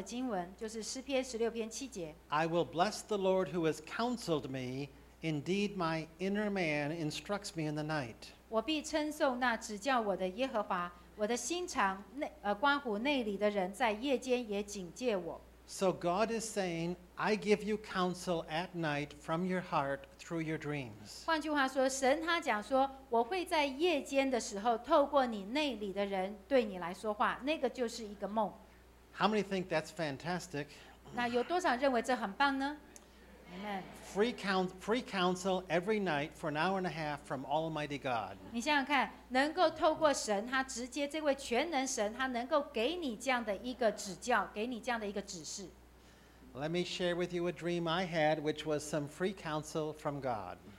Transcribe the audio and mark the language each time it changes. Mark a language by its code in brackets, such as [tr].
[zh] 然后接下来我们看到有一节非常棒的经文，就是诗篇16篇7节。 [en] I will bless the Lord who has counseled me. Indeed, my inner man instructs me in the night. [zh] 我必称颂那指教我的耶和华。我的心肠内，关乎内里的人，在夜间也警戒我。 [en] So God is saying, I give you counsel at night from your heart through your dreams. [zh] 换句话说，神他讲说，我会在夜间的时候，透过你内里的人对你来说话，那个就是一个梦。 [en] How many think that's fantastic? [zh] 那有多少认为这很棒呢？ [en] Amen. Free counsel every night for an hour and a half from Almighty God. [zh] 你想想看, 能够透过神, 祂直接这位全能神, 祂能够给你这样的一个指教, 给你这样的一个指示。 [en] Let me share with you a dream I had, which was some free counsel from God.